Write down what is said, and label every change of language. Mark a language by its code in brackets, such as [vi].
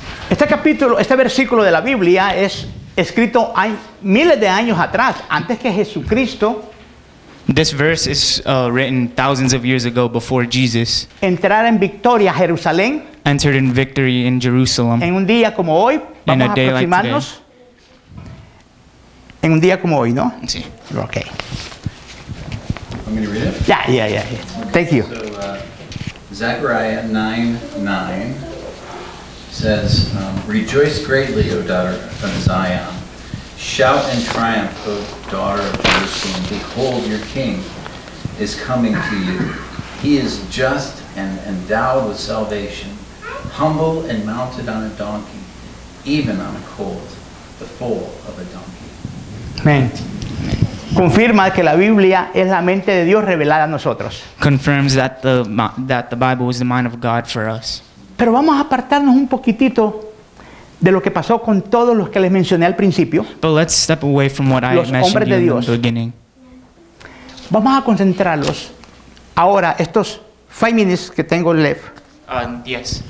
[es] Este capítulo, este versículo de la Biblia es escrito miles de años atrás, antes que Jesucristo. [en] This verse is written thousands of years ago before Jesus. [es] Entrar en victoria a Jerusalén. [en] Entered in victory in Jerusalem. [es] En un día como hoy, vamos a aproximarnos. [en] Like [es] en un día como hoy, ¿no? Sí. [en] Okay. I'm going to read it? Yeah. Okay. Thank you. So, Zechariah 9:9 says, rejoice greatly, O daughter of Zion. Shout in triumph, O daughter of Jerusalem. Behold, your king is coming to you. He is just and endowed with salvation, humble and mounted on a donkey, even on a colt, the foal of a donkey. Amen. [es] Confirma que la Biblia es la mente de Dios revelada a nosotros. [en] Confirms that the Bible is the mind of God for us. [es] Pero vamos a apartarnos un poquitito de lo que pasó con todos los que les mencioné al principio. [en] But let's step away from what [es] los [en] I mentioned [es] de Dios. [en] In the beginning. [es] Vamos a concentrarlos ahora estos 5 minutes que tengo left. [en] Yes.